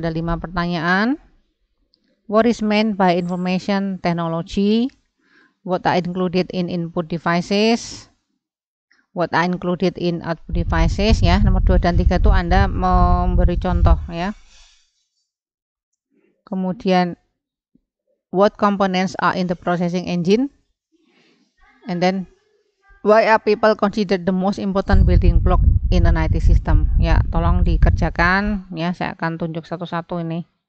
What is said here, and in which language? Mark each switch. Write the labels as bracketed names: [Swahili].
[Indonesian] Ada 5 pertanyaan. [English] What is meant by information technology? What are included in input devices? What are included in output devices? [Indonesian] Ya, nomor 2 dan 3 itu Anda memberi contoh ya. [English] Kemudian, what components are in the processing engine? And then, why are people considered the most important building block in an IT system? [Indonesian] Ya, tolong dikerjakan ya. Saya akan tunjuk satu-satu ini.